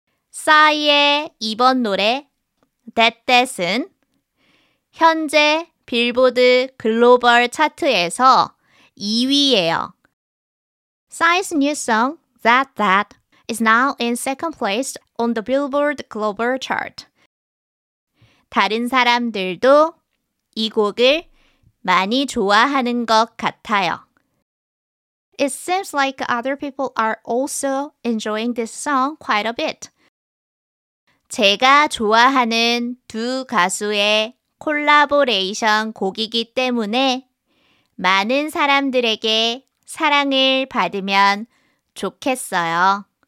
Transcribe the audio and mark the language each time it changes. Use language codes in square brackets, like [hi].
[ko] 싸이의 이번 노래, That That은 현재 빌보드 글로벌 차트에서 2위예요. [en] Sai's new song, That That, is now in second place on the Billboard Global Chart. [ko] 다른 사람들도 이 곡을 많이 좋아하는 것 같아요. [en] It seems like other people are also enjoying this song quite a bit. [ko] 제가 좋아하는 두 가수의 콜라보레이션 곡이기 때문에 많은 사람들에게 사랑을 받으면 좋겠어요.